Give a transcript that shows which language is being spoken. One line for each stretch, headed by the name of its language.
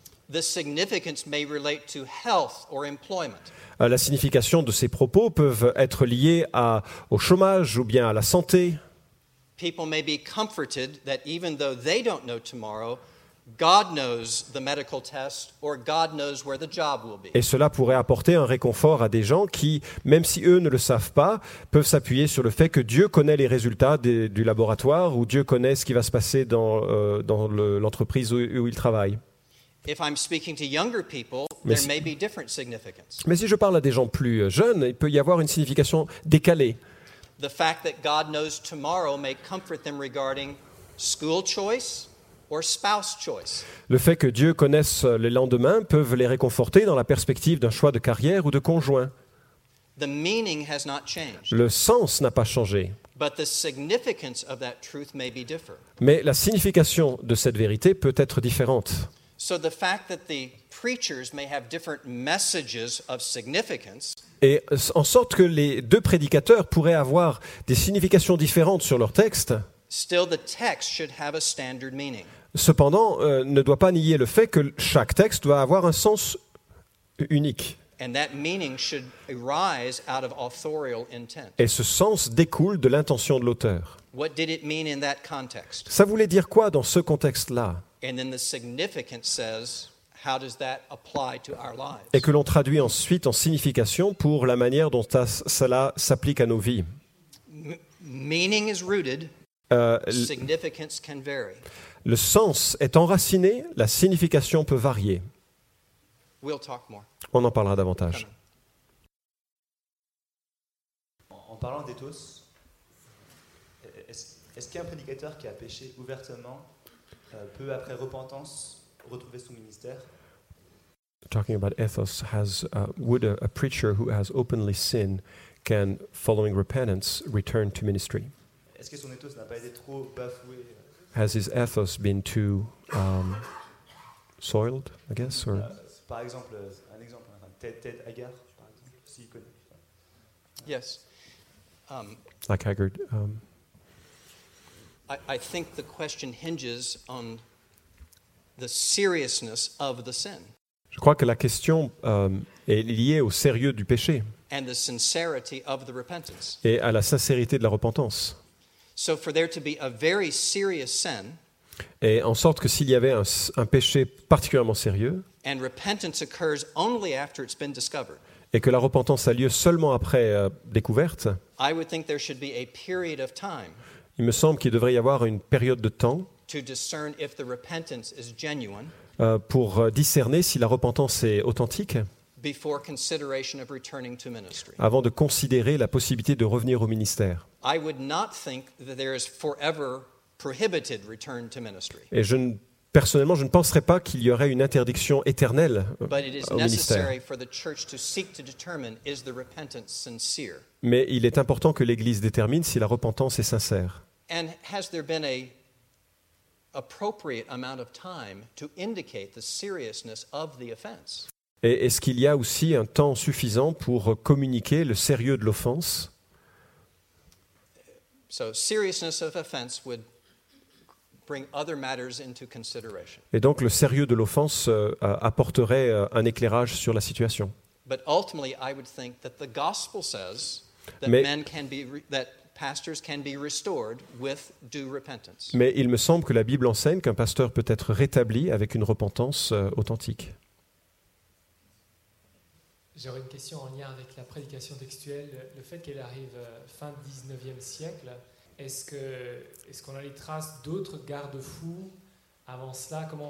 English: the significance may relate to health or employment.
French: La signification de ces propos peuvent être liées au chômage ou bien à la santé.
English: People may be comforted that even though they don't know tomorrow, God knows the medical test or God knows where the job will be.
French: Et cela pourrait apporter un réconfort à des gens qui, même si eux ne le savent pas, peuvent s'appuyer sur le fait que Dieu connaît les résultats du laboratoire ou Dieu connaît ce qui va se passer dans l'entreprise où ils travaillent.
English: If I'm speaking to younger people, there may be different significance.
French: Mais si je parle à des gens plus jeunes, il peut y avoir une signification décalée.
English: The fact that God knows tomorrow may comfort them regarding school choice. Or spouse choice.
French: Le fait que Dieu connaisse les lendemains peuvent les réconforter dans la perspective d'un choix de carrière ou de conjoint.
English: The meaning has not changed.
French: Le sens n'a pas changé.
English: But the significance of that truth may be different.
French: Mais la signification de cette vérité peut être différente.
English: So the fact that the preachers may have different messages of significance.
French: Et en sorte que les deux prédicateurs pourraient avoir des significations différentes sur leur texte.
English: Still, the text should have a standard meaning.
French: Cependant, ne doit pas nier le fait que chaque texte doit avoir un sens unique.
English: And that meaning should arise out of authorial intent.
French: Et ce sens découle de l'intention de l'auteur.
English: What did it mean in that context?
French: Ça voulait dire quoi dans ce contexte-là?
English: And then the significance says, how does that apply to our lives?
French: Et que l'on traduit ensuite en signification pour la manière dont cela s'applique à nos vies.
English: Meaning is rooted. Significance can vary.
French: Le sens est enraciné, la signification peut varier.
English: We'll talk more.
French: On en parlera davantage. En parlant d'éthos, est-ce qu'un prédicateur qui a péché ouvertement peut, après repentance, retrouver son ministère?
English: Talking about ethos, would a preacher who has openly sinned can, following repentance, return to ministry?
French: Est-ce que son éthos n'a pas été trop bafoué?
English: Has his ethos been too soiled, I guess? Or?
French: Par exemple, un exemple, Ted Haggard, par exemple, s'il connaît.
English: Yes. Like Haggard. I think the question hinges on the seriousness of the sin.
French: Je crois que la question est liée au sérieux du péché.
English: And the sincerity of the repentance.
French: Et à la sincérité de la repentance.
English: So for there to be a very serious sin,
French: et en sorte que s'il y avait un péché particulièrement sérieux,
English: and repentance occurs only after it's been discovered,
French: et que la repentance a lieu seulement après découverte,
English: I would think there should be a period of time,
French: il me semble qu'il devrait y avoir une période de temps
English: to discern if the repentance is genuine,
French: pour discerner si la repentance est authentique,
English: before consideration of returning to ministry,
French: avant de considérer la possibilité de revenir au ministère.
English: I would not think that there is forever prohibited return to ministry.
French: Et personnellement, je ne penserais pas qu'il y aurait une interdiction éternelle au ministère.
English: But it is necessary for the church to seek to determine is the repentance sincere.
French: Mais il est important que l'Église détermine si la repentance est sincère.
English: And has there been a appropriate amount of time to indicate the seriousness of the offense?
French: Et est-ce qu'il y a aussi un temps suffisant pour communiquer le sérieux de l'offense?
English: So, seriousness of offense would bring other matters into consideration.
French: Et donc le sérieux de l'offense apporterait un éclairage sur la situation.
English: But ultimately, I would think that the gospel says that that pastors can be restored with due repentance.
French: Mais il me semble que la Bible enseigne qu'un pasteur peut être rétabli avec une repentance authentique. J'aurais une question en lien avec la prédication textuelle. Le fait qu'elle arrive fin 19e siècle, est-ce qu'on a les traces d'autres garde-fous avant cela?